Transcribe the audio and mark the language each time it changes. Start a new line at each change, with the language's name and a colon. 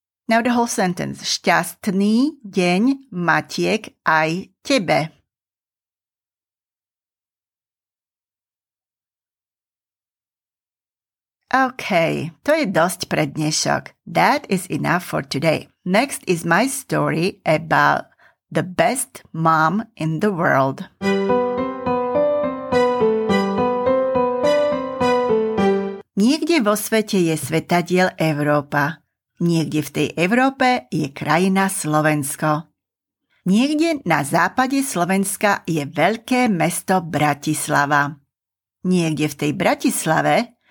English: Now the whole sentence.
Slovak: Šťastný deň matiek aj tebe. Okay, to je dosť pre dnešok.
English: That is enough for today. Next is my story about the best mom in the world.
Slovak: Niekde vo svete je svetadiel Európa. Niekde v tej Európe je krajina Slovensko. Niekde na západe Slovenska je veľké mesto Bratislava. Niekde v tej Bratislave